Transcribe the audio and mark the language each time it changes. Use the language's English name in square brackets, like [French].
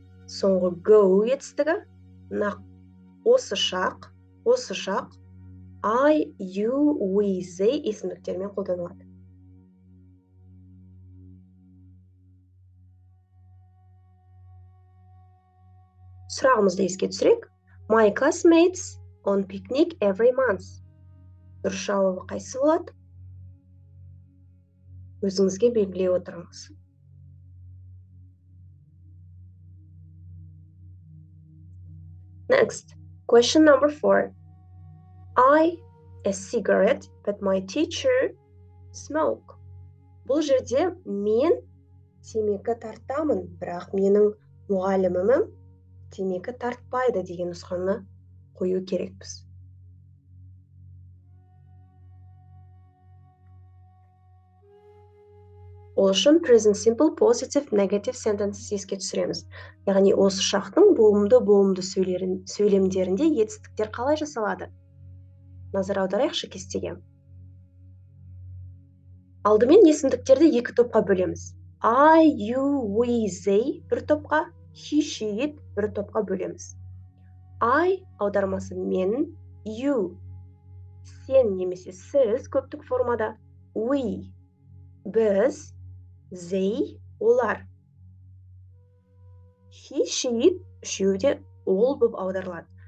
[Kazakh] Соңғы go етістігі. Нақ. Осы шақ, I, you, we, they есімдіктермен қолданылады. Сұрағымызды еске түсірек. [English] My classmates on picnic every month. [Kazakh] Дұрыс жауабы қайсы болады? Өзіңізге белгілей отырыңыз. [English] Next. Question number 4. I a cigarette, but my teacher smoke. [Kazakh] Бұл жерде мен темекі тартамын, бірақ менің мұғалімім темекі тартпайды деген нұсқаны қою керекпіз. Ол үшін present simple positive negative sentences еске түсіреміз. Яғни осы шақтың болымды-болымды сөйлемдерінде етістіктер қалай жасалады? Назар аударайықшы кестеге. Алдымен есімдіктерді екі топқа бөлеміз. I, you, we, they бір топқа, he, she, it бір топқа бөлеміз. I аудармасы мен, you сен немесе сіз көптік формада, we біз, they – олар. He, she, it – үшеуде ол бұп аударылады.